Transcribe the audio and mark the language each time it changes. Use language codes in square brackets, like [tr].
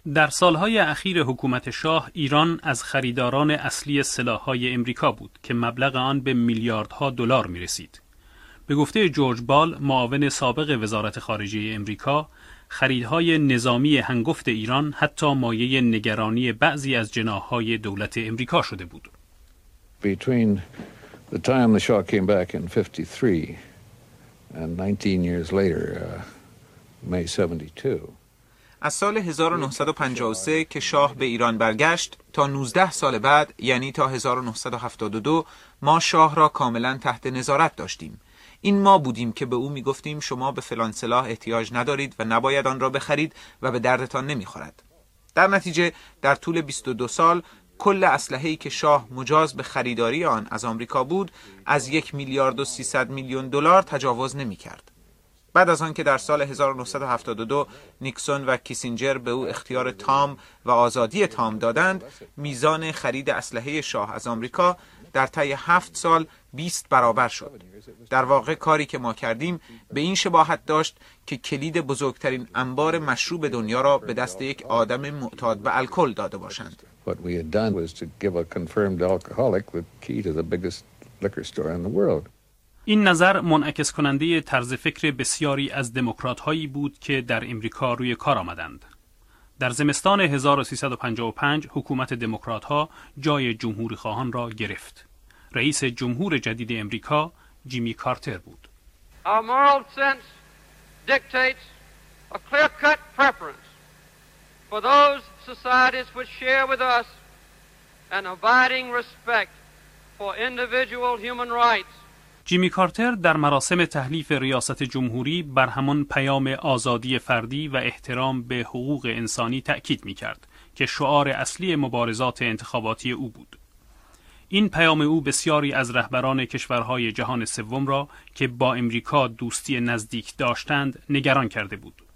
[fa] در سالهای اخیر حکومت شاه، ایران از خریداران اصلی سلاح‌های امریکا بود که مبلغ آن به میلیاردها دلار میرسید. به گفته جورج بال، معاون سابق وزارت خارجه امریکا، خریدهای نظامی هنگفت ایران حتی مایه نگرانی بعضی از جناح‌های دولت امریکا شده بود. [en] Between the time the Shah came back in 53 and 19 years later, May 72. [fa] از سال 1953 که شاه به ایران برگشت تا 19 سال بعد، یعنی تا 1972، ما شاه را کاملا تحت نظارت داشتیم. این ما بودیم که به او میگفتیم شما به فلان سلاح احتیاج ندارید و نباید آن را بخرید و به دردتان نمیخورد. در نتیجه در طول 22 سال کل اسلحه‌ای که شاه مجاز به خریداری آن از آمریکا بود از 1.3 میلیارد دلار تجاوز نمی‌کرد. بعد از آن که در سال 1972 نیکسون و کیسینجر به او اختیار تام و آزادی تام دادند، میزان خرید اسلحه شاه از آمریکا در طی 7 سال 20 برابر شد. در واقع کاری که ما کردیم به این شباهت داشت که کلید بزرگترین انبار مشروب دنیا را به دست یک آدم معتاد به الکل داده باشند. [en] What we had done was to give a confirmed alcoholic the key to the biggest liquor store in the world. [fa] این نظر منعکس کننده طرز فکر بسیاری از دموکرات هایی بود که در امریکا روی کار آمدند. در زمستان 1355 حکومت دموکرات ها جای جمهوری خواهان را گرفت. رئیس جمهور جدید امریکا جیمی کارتر بود. [en] Our moral sense dictates a clear-cut preference for those societies which share with us an abiding respect for individual human rights. [fa] جیمی کارتر در مراسم تحلیف ریاست جمهوری بر همان پیام آزادی فردی و احترام به حقوق انسانی تأکید می کرد که شعار اصلی مبارزات انتخاباتی او بود. این پیام او بسیاری از رهبران کشورهای جهان سوم را که با امریکا دوستی نزدیک داشتند نگران کرده بود.